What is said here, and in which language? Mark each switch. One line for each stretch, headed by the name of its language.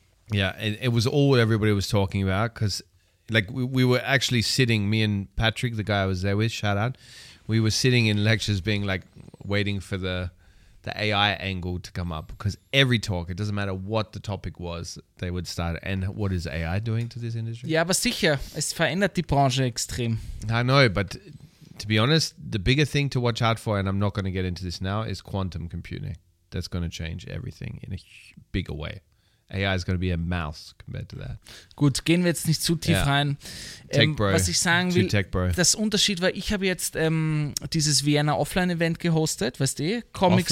English: Yeah, it was all what everybody was talking about because, like, we were actually sitting, me and Patrick, the guy I was there with, shout out, we were sitting in lectures being, like, waiting for the AI angle to come up because every talk, it doesn't matter what the topic was, they would start, and what is AI doing to this industry?
German: Ja, aber sicher, es verändert die Branche extrem.
English: I know, but to be honest, the bigger thing to watch out for, and I'm not going to get into this now, is quantum computing. That's going to change everything in a bigger way. AI is going to be a mouse compared to that.
German: Gut, gehen wir jetzt nicht zu tief rein.
English: Tech bro.
German: Was ich sagen will, das Unterschied war, ich habe jetzt dieses Vienna Offline Event gehostet, weißt du, Comics.